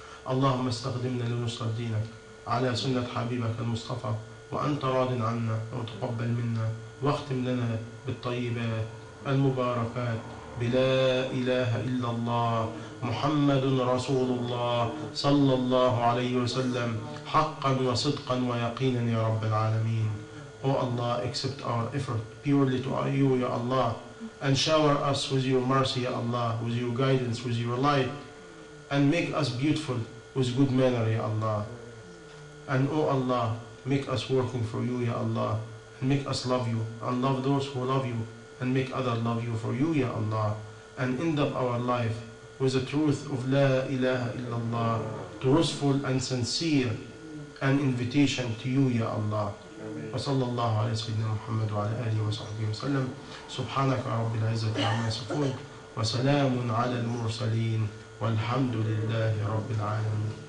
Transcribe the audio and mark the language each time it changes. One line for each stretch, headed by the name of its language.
Arabic: اللهم استخدمنا لنصر دينك على سنة حبيبك المصطفى، وأنت راض عنا وتقبل منا، واختم لنا بالطيبات المباركات. بلا إله إلا الله محمد رسول الله صلى الله عليه وسلم، حقا وصدقا ويقينا يا رب العالمين.
English: Oh Allah, accept our effort purely to you, Ya Allah, and shower us with your mercy, Ya Allah, with your guidance, with your light, and make us beautiful with good manner, Ya Allah. And oh Allah, make us working for you, Ya Allah, and make us love you, and love those who love you, and make others love you for you, Ya Allah, and end up our life with the truth of La ilaha illallah, truthful and sincere, an invitation to you, Ya Allah.
Arabic: وصلى الله على سيدنا محمد وعلى آله وصحبه وسلم. سبحانك رب العزة عما يصفون، وسلام على المرسلين، والحمد لله رب العالمين.